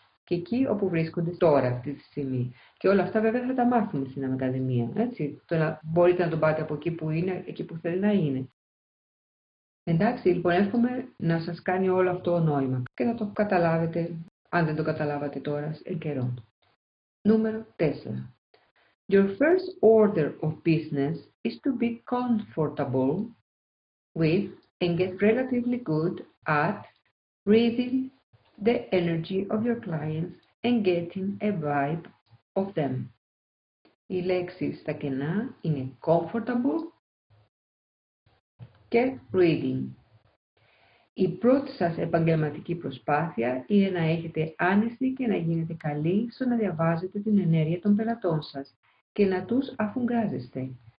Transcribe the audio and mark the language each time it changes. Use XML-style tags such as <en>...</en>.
<el>Και εκεί όπου βρίσκονται τώρα αυτή τη στιγμή. Και όλα αυτά βέβαια θα τα μάθουμε στην Ακαδημία, έτσι. Τώρα μπορείτε να τον πάτε από εκεί που είναι, εκεί που θέλει να είναι. Εντάξει, λοιπόν, εύχομαι να σας κάνει όλο αυτό νόημα και να το καταλάβετε, αν δεν το καταλάβατε τώρα, εν καιρό. Νούμερο 4.</el> <en>Your first order of business is to be comfortable with and get relatively good at reading the energy of your clients and getting a vibe of them.</en> <el>Οι λέξεις στα κενά είναι comfortable και reading. Η πρώτη σας επαγγελματική προσπάθεια είναι να έχετε άνεση και να γίνετε καλοί στο να διαβάζετε την ενέργεια των πελατών σας και να τους αφουγκράζεστε.</el>